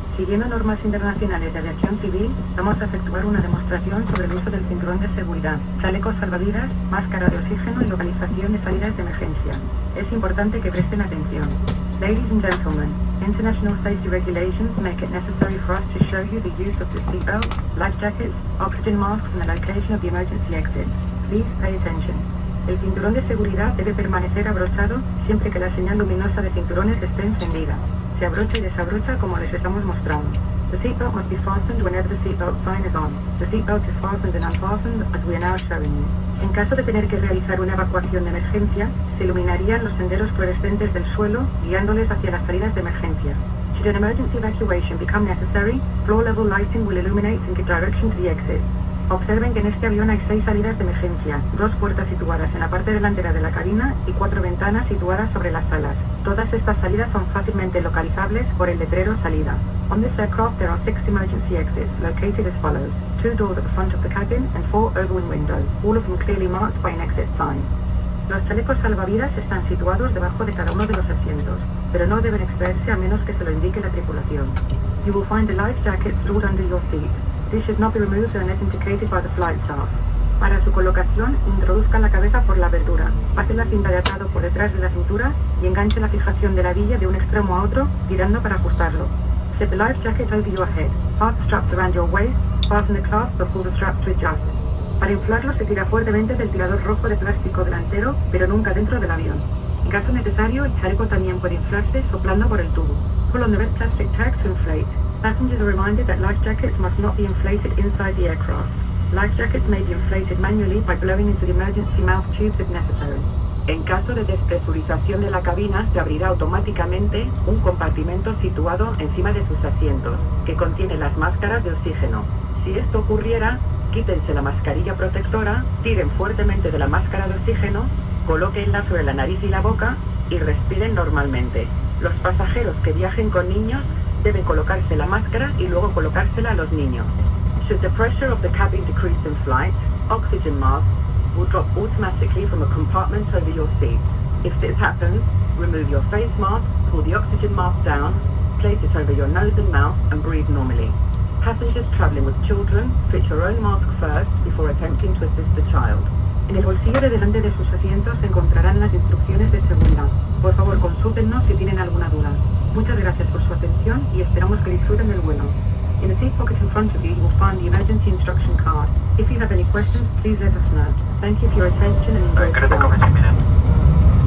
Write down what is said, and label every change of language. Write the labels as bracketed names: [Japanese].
[Spanish] Siguiendo normas internacionales de aviación civil, vamos a efectuar una demostración sobre el uso del cinturón de seguridad, chalecos salvavidas, máscara de oxígeno y localización de salidas de emergencia. Es importante que presten atención. [English] Ladies and gentlemen, international safety regulations make it necessary for us to show you the use of the seatbelt, life jackets, oxygen masks and the location of the emergency exit. Please pay attention. [Spanish] El cinturón de seguridad debe permanecer abrochado siempre que la señal luminosa de cinturones esté encendida. Se abrocha y desabrocha como les estamos mostrando. [English] The seatbelt must be fastened whenever the seatbelt sign is on. The seatbelt is fastened and unfastened as we are now showing you. [Spanish] En caso de tener que realizar una evacuación de emergencia, se iluminarían los senderos fluorescentes del suelo, guiándoles hacia las salidas de emergencia. [English] Should an emergency evacuation become necessary, floor level lighting will illuminate in the direction to the exit. [Spanish] Observen que en este avión hay 6 salidas de emergencia, 2 puertas situadas en la parte delantera de la cabina y 4 ventanas situadas sobre las alas. Todas estas salidas son fácilmente localizables por el letrero salida. [English] On this aircraft there are 6 emergency exits located as follows. 2 doors at the front of the cabin and 4 overwing windows, all of them clearly marked by an exit sign. [Spanish] Los chalecos salvavidas están situados debajo de cada uno de los asientos, pero no deben extraerse a menos que se lo indique la tripulación. [English] You will find the life jacket stored under your seat. This should not be removed unless indicated by the flight staff. [Spanish] Para su colocación, introduzca la cabeza por la abertura, pase la cinta de atado por detrás de la cintura y enganche la fijación de la hebilla de un extremo a otro, girando para ajustarlo. [English] Set the life jacket over your head. Fasten the straps around your waist. Fasten the clasp or pull the strap to adjust. [Spanish] Para inflarlo, se tira fuertemente del tirador rojo de plástico delantero, pero nunca dentro del avión. En caso necesario, el chaleco también puede inflarse soplando por el tubo. [English] Pull on the red plastic tag to inflate. Passengers are reminded that life jackets must not be inflated inside the aircraft. Life jackets may be inflated manually by blowing into the emergency mouth tubes if necessary. [Spanish] En caso de despresurización de la cabina, se abrirá automáticamente un compartimento situado encima de sus asientos, que contiene las máscaras de oxígeno. Si esto ocurriera, quítense la mascarilla protectora, tiren fuertemente de la máscara de oxígeno, colóquenla sobre la nariz y la boca y respiren normalmente. Los pasajeros que viajen con niños deben colocarse la máscara y luego colocársela a los niños. [English] Should the pressure of the cabin decrease in flight, oxygen mask will drop automatically from a compartment over your seat. If this happens, remove your face mask, pull the oxygen mask down, place it over your nose and mouth and breathe normally. Passengers traveling with children, fit your own mask first before attempting to assist the child. [Spanish] En el bolsillo de delante de sus asientos se encontrarán las instrucciones de seguridad. Por favor, consúltennos si tienen alguna duda. Muchas gracias por su atención y esperamos que disfruten el vuelo. [English] In the seat pocket in front of you, you will find the emergency instruction card. If you have any questions, please let us know. Thank you for your attention and enjoy the flight.